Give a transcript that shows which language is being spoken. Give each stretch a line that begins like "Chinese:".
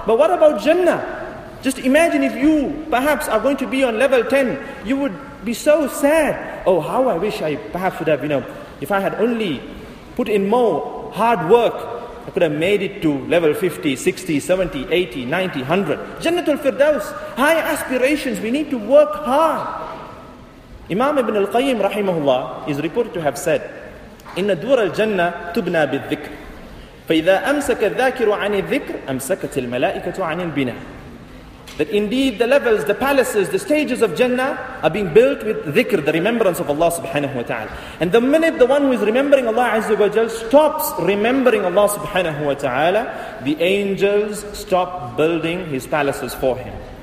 English: But what about Jannah? Just imagine if you perhaps are going to be on level 10, you would be so sad. Oh, how I wish I perhaps would have, you know, if I had only put in more hard work, I could have made it to level 50, 60, 70, 80, 90, 100. Jannatul Firdaus, high aspirations, we need to work hard. Imam Ibn Al-Qayyim rahimahullah is reported to have said,
Arabic: إِنَّ دُورَ الْجَنَّةِ تُبْنَى بِالذِّكْرِ فَإِذَا أَمْسَكَ الذَّاكِرُ عَنِ الذِّكْرِ أَمْسَكَتِ الْمَلَائِكَةُ عَنِ الْبِنَى.
English: That indeed the levels, the palaces, the stages of Jannah are being built with dhikr, the remembrance of Allah subhanahu wa ta'ala. And the minute the one who is remembering Allah azza wa jal stops remembering Allah subhanahu wa ta'ala, the angels stop building his palaces for him.